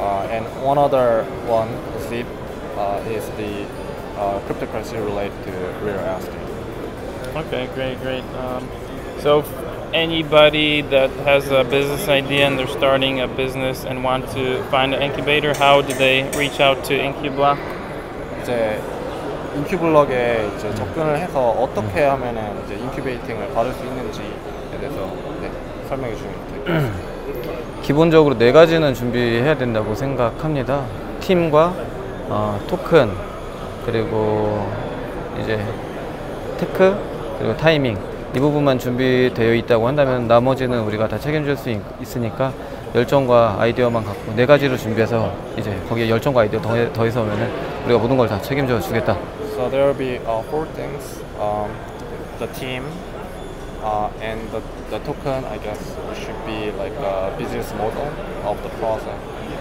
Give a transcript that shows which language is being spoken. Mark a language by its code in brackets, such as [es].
[en] And one other one, Zip, is the cryptocurrency related to real estate. Okay, great. So anybody that has a business idea and they're starting a business and want to find an incubator, how do they reach out to Incublock? [ko] 이제 인큐블럭에 이제 접근을 해서 어떻게 하면은 이제 인큐베이팅을 받을 수 있는지에 대해서 네, 설명해 주면 될 것 같습니다. 기본적으로 네 가지는 준비해야 된다고 생각합니다. 팀과 토큰, 그리고 이제 테크, 그리고 타이밍. 이 부분만 준비되어 있다고 한다면 나머지는 우리가 다 책임질 수 있으니까 열정과 아이디어만 갖고 네 가지로 준비해서 이제 거기에 열정과 아이디어 더해서 오면은 우리가 모든 걸 다 책임져 주겠다. [en] So there will be four things. The team and the token, I guess, should be like a business model of the process.